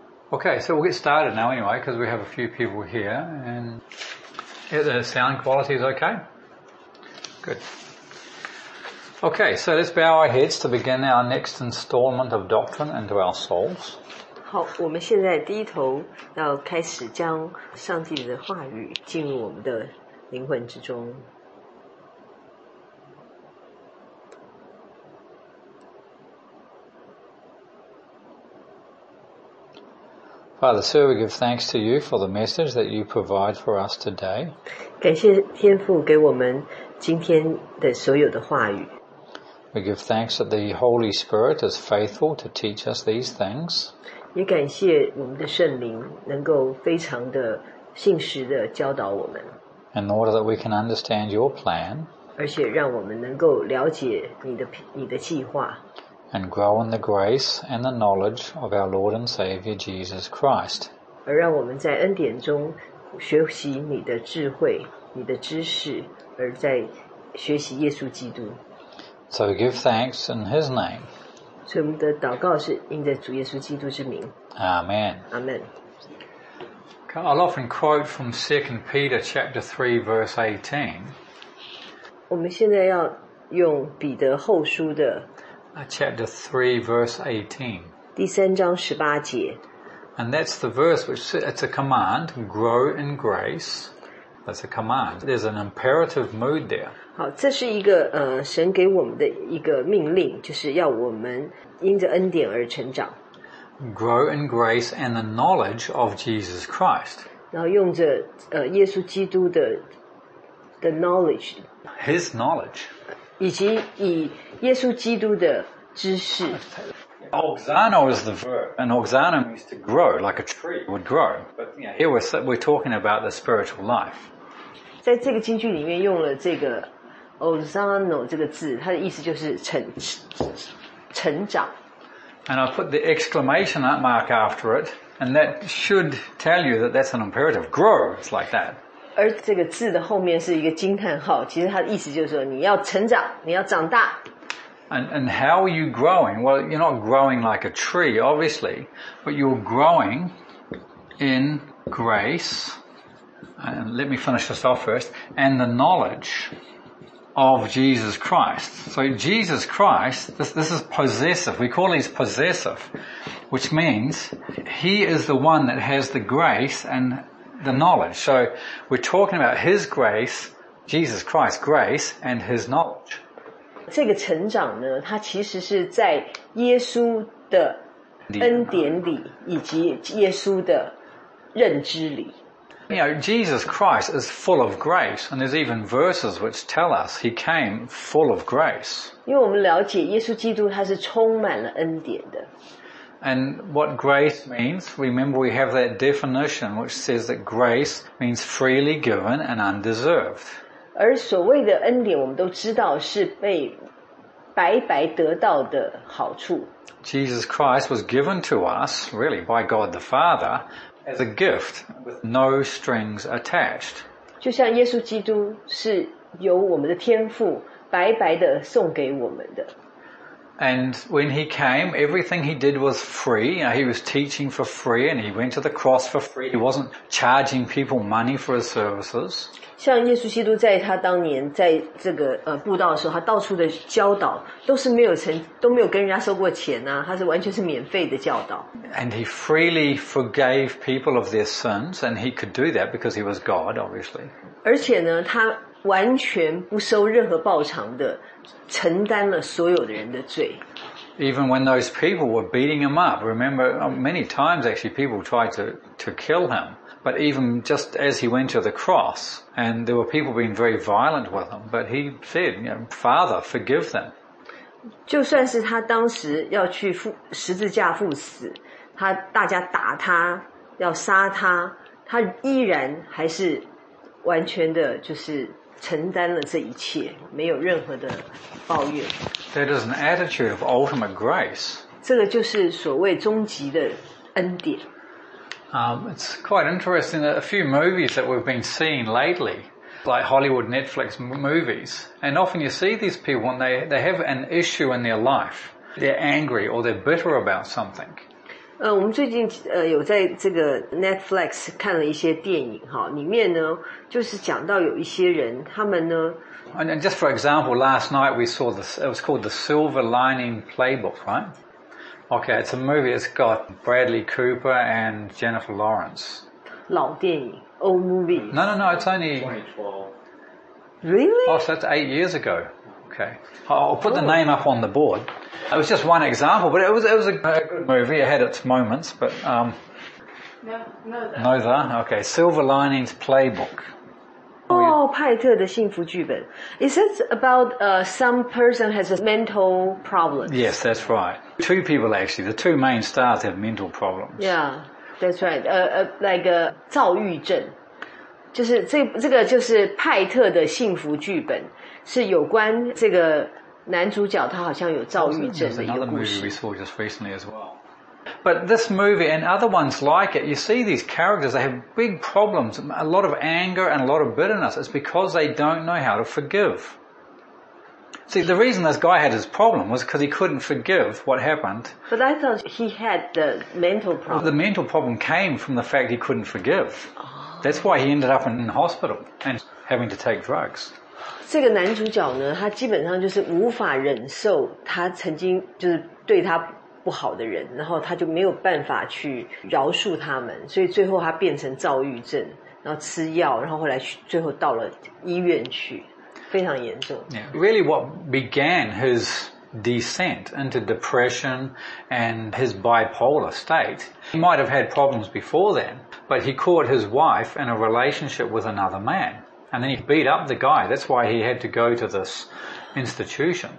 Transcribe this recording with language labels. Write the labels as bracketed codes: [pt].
[en] Okay, so we'll get started now anyway, because we have a few people here, and the sound quality is okay? Good. Okay, so let's bow our heads to begin our next installment of Doctrine into our souls. [zh] 好，我们现在低头要开始将上帝的话语进入我们的灵魂之中。 [en] Father, sir, we give thanks to you for the message that you provide for us today. [zh] 感谢天父给我们今天的所有的话语。 [en] We give thanks that the Holy Spirit is faithful to teach us these things. [zh] 也感谢我们的圣灵能够非常的信实的教导我们。 [en] And in order that we can understand your plan. [zh] 而且让我们能够了解你的计划。 [en] And grow in the grace and the knowledge of our Lord and Savior Jesus Christ. [zh] 而让我们在恩典中学习你的智慧、你的知识，而在学习耶稣基督。 [en] So we give thanks in His name. [zh] 所以我们的祷告是应在主耶稣基督之名。 [en] Amen. Amen. I'll often quote from 2 Peter chapter 3 verse 18. [zh] 我们现在要用彼得后书的。 [en] Chapter 3, verse 18. [zh] 第三章十八节。 [en] And that's the verse which, it's a command, grow in grace. That's a command. There's an imperative mood there. [zh] 好，这是一个神给我们的一个命令，就是要我们因着恩典而成长。 [en] Grow in grace and the knowledge of Jesus Christ. [zh] 然后用着耶稣基督的 knowledge. [en] His knowledge. [zh] 以及以耶稣基督的知识。 [en] Oxano is the verb, and oxano means to grow, like a tree would grow. But yeah, here we're talking about the spiritual life. [zh] 在这个经句里面用了这个 oxano 这个字，它的意思就是成长。 [en] And I put the exclamation mark after it, and that should tell you that that's an imperative. Grow, it's like that. [zh] 而这个字的后面是一个惊叹号，其实它的意思就是说你要成长，你要长大。 [en] And how are you growing? Well, you're not growing like a tree, obviously, but you're growing in grace. And let me finish this off first. And the knowledge of Jesus Christ. So Jesus Christ, this is possessive. We call these possessive, which means he is the one that has the grace and. The knowledge. So we're talking about His grace, Jesus Christ's grace, and His knowledge. [zh] 这个成长呢，它其实是在耶稣的恩典里，以及耶稣的认知里。 [en] You know, Jesus Christ is full of grace, and there's even verses which tell us He came full of grace. [zh] 因为我们了解耶稣基督，他是充满了恩典的。 [en] And what grace means, remember we have that definition which says that grace means freely given and undeserved. [zh] 而所谓的恩典我们都知道是被白白得到的好处。 [en] Jesus Christ was given to us, really, by God the Father, as a gift with no strings attached. [zh] 就像耶稣基督是由我们的天父白白的送给我们的。 [en] And when he came, everything he did was free. You know, he was teaching for free and he went to the cross for free. He wasn't charging people money for his services. [zh] 像耶稣基督在他当年在这个布道的时候，他到处的教导都没有跟人家收过钱啊，他是完全是免费的教导。 [en] And he freely forgave people of their sins and he could do that because he was God, obviously. [zh] 而且呢，他完全不收任何报偿的承担了所有的人的罪。 [en] Even when those people were beating him up, remember many times actually people tried to kill him. But even just as he went to the cross, and there were people being very violent with him, but he said, you know, Father, forgive them. [zh] 就算是他当时要去十字架赴死，他大家打他，要杀他，他依然还是完全的就是承担了这一切，没有任何的抱怨。 [en] That is an attitude of ultimate grace. [zh] 这个就是所谓终极的恩典。 [en] It's quite interesting that a few movies that we've been seeing lately, like Hollywood Netflix movies, and often you see these people and they have an issue in their life. They're angry or they're bitter about something. [zh] 我们最近有在这个 Netflix 看了一些电影哈，里面呢就是讲到有一些人他们呢。 [en] And just for example, last night we saw this. It was called The Silver Lining Playbook, right? Okay, it's a movie. It's got Bradley Cooper and Jennifer Lawrence. [zh] 老电影 [en] old movie. No, no, no. It's only 2012. Really? Oh, so that's 8 years ago. Okay, I'll put the name up on the board. It was just one example, but it was a good movie. It had its moments, but Okay, Silver Linings Playbook. [zh] Oh, 派特的幸福剧本. [en] Is it about some person has a mental problem? Yes, that's right. Two people actually. The two main stars have mental problems. Yeah, that's right. Like a [zh] 躁郁症，就是这个就是派特的幸福剧本，是有关这个。男主角他好像有躁郁症的一个故事。 [en] There's another movie we saw just recently as well. But this movie and other ones like it, you see these characters, they have big problems, a lot of anger and a lot of bitterness. It's because they don't know how to forgive. See, the reason this guy had his problem was because he couldn't forgive what happened. But I thought he had the mental problem. The mental problem came from the fact he couldn't forgive. That's why he ended up in hospital and having to take drugs. [zh] 这个男主角呢，他基本上就是无法忍受他曾经就是对他不好的人，然后他就没有办法去饶恕他们，所以最后他变成躁郁症，然后吃药，然后后来去最后到了医院去，非常严重。 [en] Yeah. Really, what began his descent into depression and his bipolar state? He might have had problems before then, but he caught his wife in a relationship with another man. And then he beat up the guy. That's why he had to go to this institution.